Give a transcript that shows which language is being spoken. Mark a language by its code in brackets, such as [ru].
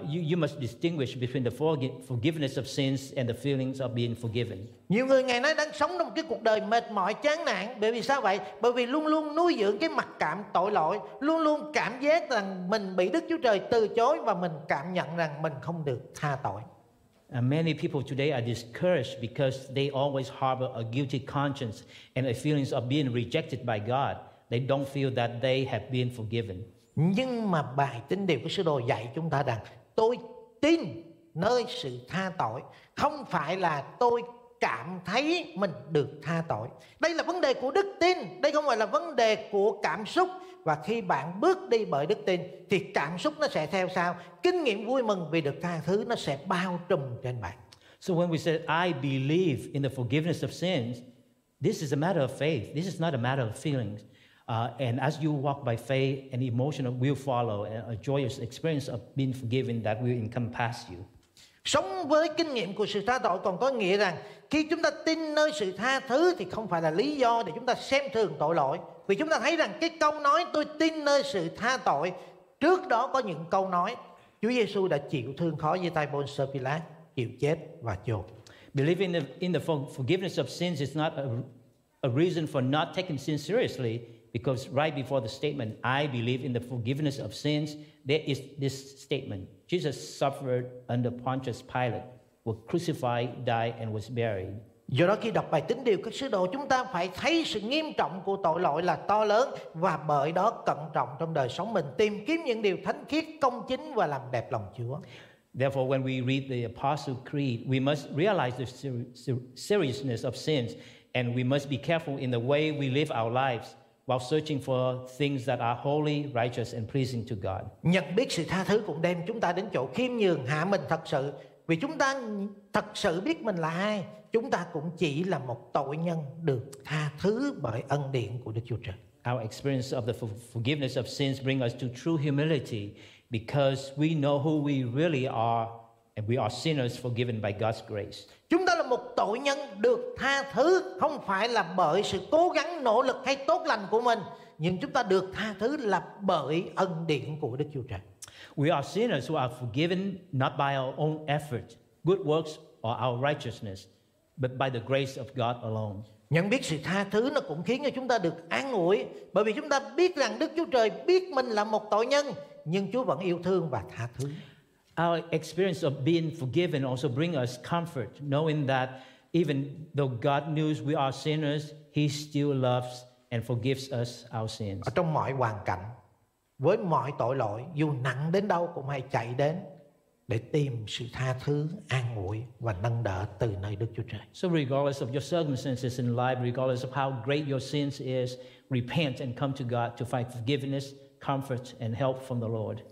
[en] You must distinguish between the forgiveness of sins and the feelings of being forgiven. [vi] Nhiều người ngày nay đang sống trong cái cuộc đời mệt mỏi chán nản, bởi vì sao vậy? Bởi vì luôn luôn nuôi dưỡng cái mặc cảm tội lỗi, luôn luôn cảm giác rằng mình bị Đức Chúa Trời từ chối và mình cảm nhận rằng mình không được tha tội. [en] And many people today are discouraged because they always harbor a guilty conscience and a feelings of being rejected by God. They don't feel that they have been forgiven. [vi] Nhưng mà bài tín điều của sứ đồ dạy chúng ta rằng tôi tin nơi sự tha tội, không phải là tôi cảm thấy mình được tha tội. Đây là vấn đề của đức tin, đây không phải là vấn đề của cảm xúc. Và khi bạn bước đi bởi đức tin thì cảm xúc nó sẽ theo sau, kinh nghiệm vui mừng vì được tha thứ nó sẽ bao trùm trên bạn. [en] So when we say I believe in the forgiveness of sins, this is a matter of faith, this is not a matter of feelings. And as you walk by faith, an emotion will follow, a joyous experience of being forgiven that will encompass you. [vi] Sống với kinh nghiệm của sự tha tội còn có nghĩa rằng khi chúng ta tin nơi sự tha thứ thì không phải là lý do để chúng ta xem thường tội lỗi. Vì chúng ta thấy rằng cái câu nói tôi tin nơi sự tha tội, trước đó có những câu nói Chúa Giêsu đã chịu thương khó dưới tay Pontius Pilate, chịu chết và chôn. [en] Believing in the forgiveness of sins is not a reason for not taking sin seriously, because right before the statement I believe in the forgiveness of sins, there is this statement: Jesus suffered under Pontius Pilate, was crucified, died, and was buried. [vi] Do đó khi đọc bài tín điều các sứ đồ, chúng ta phải thấy sự nghiêm trọng của tội lỗi là to lớn, và bởi đó cẩn trọng trong đời sống mình, tìm kiếm những điều thánh khiết, công chính và làm đẹp lòng Chúa. [en] Therefore, when we read the Apostles' Creed, we must realize the seriousness of sins, and we must be careful in the way we live our lives while searching for things that are holy, righteous, and pleasing to God. [vi] Nhận biết sự tha thứ cũng đem chúng ta đến chỗ khiêm nhường, hạ mình thật sự. Vì chúng ta thật sự biết mình là ai, chúng ta cũng chỉ là một tội nhân được tha thứ bởi ân điển của Đức Chúa Trời. [en] Our experience of the forgiveness of sins brings us to true humility, because we know who we really are, and we are sinners forgiven by God's grace. [vi] Chúng ta là một tội nhân được tha thứ không phải là bởi sự cố gắng, nỗ lực hay tốt lành của mình, nhưng chúng ta được tha thứ là bởi ân điển của Đức Chúa Trời. [en] We are sinners who are forgiven not by our own effort, good works, or our righteousness, but by the grace of God alone. [vi] Nhận biết sự tha thứ nó cũng khiến cho chúng ta được an ủi, bởi vì chúng ta biết rằng Đức Chúa Trời biết mình là một tội nhân, nhưng Chúa vẫn yêu thương và tha thứ. [en] Our experience of being forgiven also brings us comfort, knowing that even though God knows we are sinners, He still loves and forgives us our sins. [vi] Ở trong mọi hoàn cảnh, với mọi tội lỗi, dù nặng đến đâu cũng hãy chạy đến để tìm sự tha thứ, an ủi và nâng đỡ từ nơi Đức Chúa Trời. [en] So regardless of your circumstances in life, regardless of how great your sins is, repent and come to God to find forgiveness, comfort and help from the Lord.